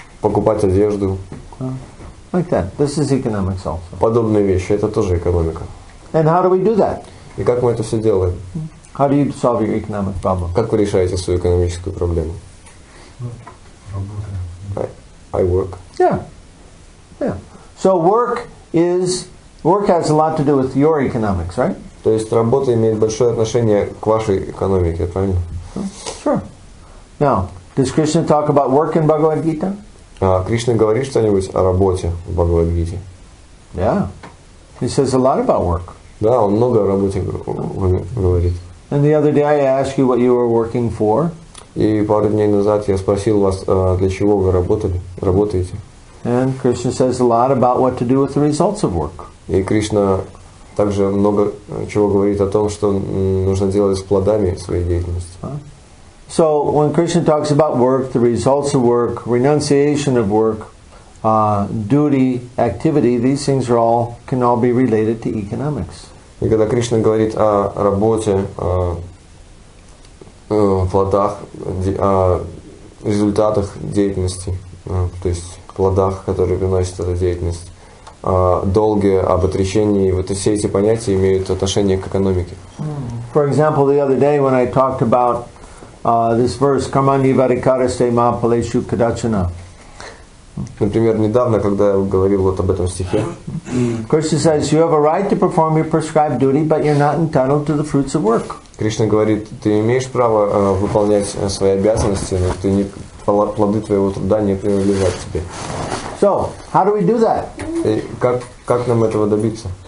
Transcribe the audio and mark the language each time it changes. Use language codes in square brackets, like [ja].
[ru] Покупать одежду. [en] Like that. This is economics also. [ru] Подобные вещи, это тоже экономика. [en] And how do we do that? [ru] И как мы это все делаем? [en] How do you solve your economic problem? [ru] Как вы решаете свою экономическую проблему? Работа. [en] I work. Yeah. So work has a lot to do with your economics, right? [ru] То есть работа имеет большое отношение к вашей экономике, правильно? [en] Sure. Now, does Krishna talk about work in Bhagavad Gita? [ru] Кришна говорит что-нибудь о работе в Бхагавад Гите? [en] Yeah. He says a lot about work. [ru] Да, он много о работе говорит. [en] And the other day I asked you what you were working for. [ru] И пару дней назад я спросил вас, для чего вы работаете. [en] And Krishna says a lot about what to do with the results of work. [ru] И Кришна также много чего говорит о том, что нужно делать с плодами своей деятельности. [en] So when Krishna talks about work, the results of work, renunciation of work, duty, activity, these things are all can all be related to economics. [ru] И когда Кришна говорит о работе, плодах, о результатах деятельности, то есть плодах, которые приносит эта деятельность, долги, об отречении, вот все эти понятия имеют отношение к экономике. [en] For example, the other day when I talked about this verse, [sa] Kamani Varikaraste Mahapaleshu Kadachana. [ru] Например, недавно, когда я говорил вот об этом стихе, [en] Krishna says, you have a right to perform your prescribed duty, but you're not entitled to the fruits of work. [ru] Кришна говорит, ты имеешь право выполнять свои обязанности, но ты не, плоды твоего труда не принадлежат тебе. [en] So, how do we do that? [ru] И как нам этого добиться?